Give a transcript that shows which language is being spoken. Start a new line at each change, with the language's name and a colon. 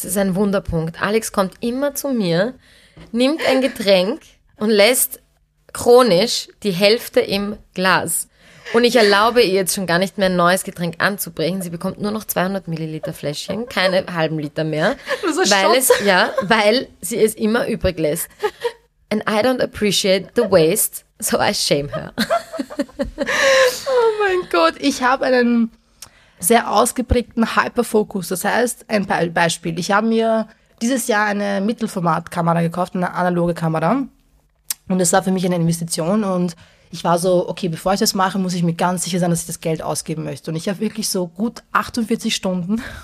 German: Das ist ein Wunderpunkt. Alex kommt immer zu mir, nimmt ein Getränk und lässt chronisch die Hälfte im Glas. Und ich erlaube ihr jetzt schon gar nicht mehr, ein neues Getränk anzubringen. Sie bekommt nur noch 200 Milliliter Fläschchen, keine halben Liter mehr. So weil sie es immer übrig lässt.
English: And I don't appreciate the waste, so I shame her.
German: Oh mein Gott, ich habe einen sehr ausgeprägten Hyperfokus. Das heißt, ein Beispiel. Ich habe mir dieses Jahr eine Mittelformatkamera gekauft, eine analoge Kamera. Und das war für mich eine Investition und ich war so, okay, bevor ich das mache, muss ich mir ganz sicher sein, dass ich das Geld ausgeben möchte. Und ich habe wirklich so gut 48 Stunden